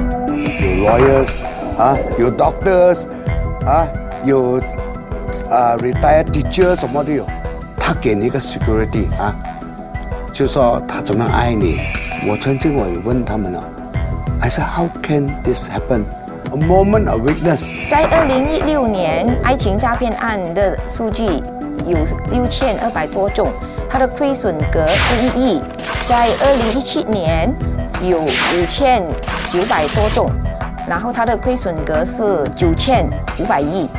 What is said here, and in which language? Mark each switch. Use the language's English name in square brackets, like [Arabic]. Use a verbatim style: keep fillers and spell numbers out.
[Chinese] 有 lawyers 啊，有 doctors 啊，有啊 [English] retired teacher [Chinese] 什么都有。他给你一个 security 啊，就说他怎么爱你。我曾经我也问他们了， [English] I said how can this happen？ A moment of weakness。 [Chinese] 在二零一六年，爱情诈骗案的数据有六千二百多种，它的亏损额是一亿。在二零一七年有五千九百多种，然后它的亏损额是九千五百亿。